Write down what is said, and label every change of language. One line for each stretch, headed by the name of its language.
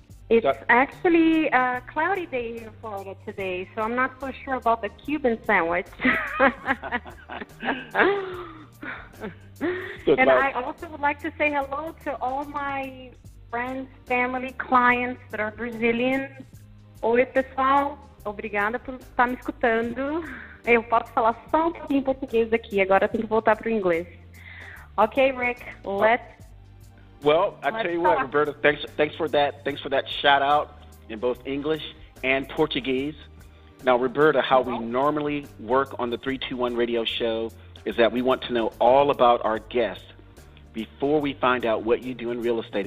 English: It's actually a cloudy day here in Florida today, so I'm not so sure about the Cuban sandwich. I also would like to say hello to all my friends, family, clients that are Brazilian.
Portuguese: Oi, pessoal. Obrigada por estar me escutando. Eu posso falar só um pouquinho em português aqui, agora tenho que voltar para o inglês.
English: Okay, Rick, let's... Well, I tell you what, Roberta, thanks for that shout out in both English and Portuguese. Now, Roberta, how we normally work on the 321 radio show is that we want to know all about our guests before we find out what you do in real estate.